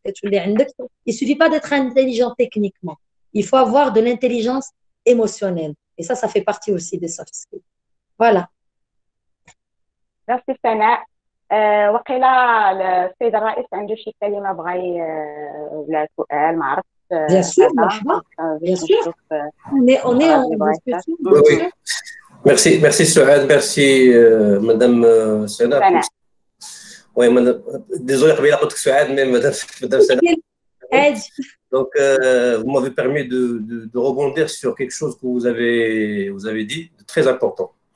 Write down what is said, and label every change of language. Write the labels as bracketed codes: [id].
[fr] Il ne suffit pas d'être intelligent techniquement. Il faut avoir de l'intelligence émotionnelle. Et ça fait partie aussi des soft skills. Voilà. Merci, Sana. [ar] Waqila, le Seyd Raïs, عنده شي كلمه بغا ولا سؤال ما عرفتش. [fr] Bien sûr, [ar] مرحبا. [fr] Bien sûr. On est en discussion. Merci, merci Souad, merci madame Sana. Oui, madame, désolé qu'elle a dit Souad, mais madame Sana. Donc, vous m'avez permis de rebondir sur quelque chose que vous avez dit, de très important.